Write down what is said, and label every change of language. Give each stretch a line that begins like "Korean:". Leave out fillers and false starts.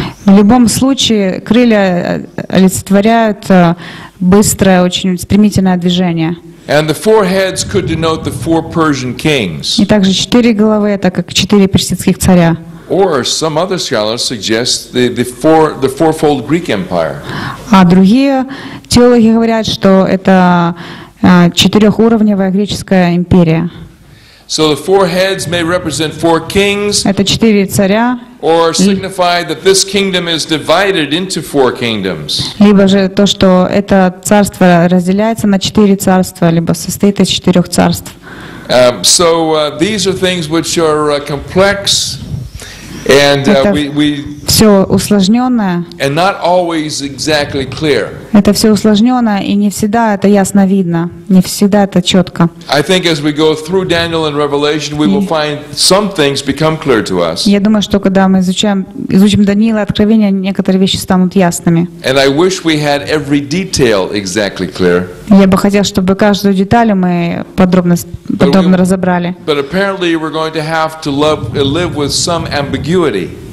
Russian: В любом случае, крылья олицетворяют быстрое, очень стремительное движение.
English: And the four heads could denote the four Persian kings.
Russian: И также четыре головы это как четыре персидских царя.
English: Or some other scholars suggest the fourfold Greek empire.
Russian: А другие теологи говорят, что это четырехуровневая греческая империя.
English: So the four heads may represent four kings.
Russian: Это четыре царя.
English: Or signify that this kingdom is divided into four kingdoms.
Russian: Либо же то, что это царство разделяется на четыре царства, либо состоит из четырех царств.
English: These are things which are complex, and
Russian: все усложненное.
English: And not always exactly clear.
Russian: Это все усложненное, и не всегда это ясно видно, не всегда это четко.
English: I think as we go through Daniel and Revelation, we will find some things become clear to us.
Russian: Я думаю, что когда мы изучим Даниила и Откровение, некоторые вещи станут ясными.
English: And I wish we had every detail exactly clear.
Russian: Я бы хотел, чтобы каждую деталь мы подробно разобрали.
English: But apparently we're going to have to live with some ambiguity.